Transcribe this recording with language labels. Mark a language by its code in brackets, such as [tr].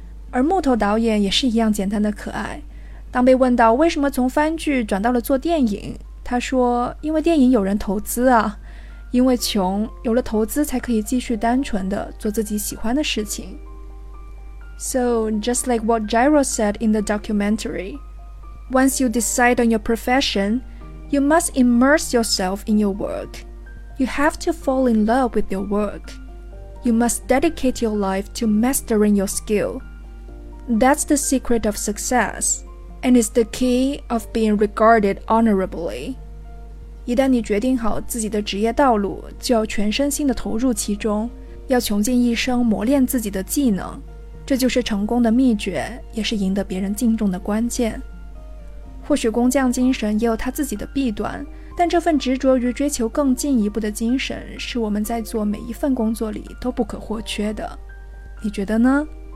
[zh] 而木头导演也是一样简单的可爱，当被问到为什么从番剧转到了做电影，他说因为电影有人投资啊，因为穷，有了投资才可以继续单纯地做自己喜欢的事情。 [en] So, just like what Gyro said in the documentary, Once you decide on your profession, you must immerse yourself in your work. You have to fall in love with your work. You must dedicate your life to mastering your skill. That's the secret of success, and it's the key of being regarded honorably. [zh] 一旦你决定好自己的职业道路，就要全身心地投入其中，要穷尽一生磨练自己的技能，这就是成功的秘诀，也是赢得别人敬重的关键。或许工匠精神也有他自己的弊端，但这份执着于追求更进一步的精神，是我们在做每一份工作里都不可或缺的。你觉得呢？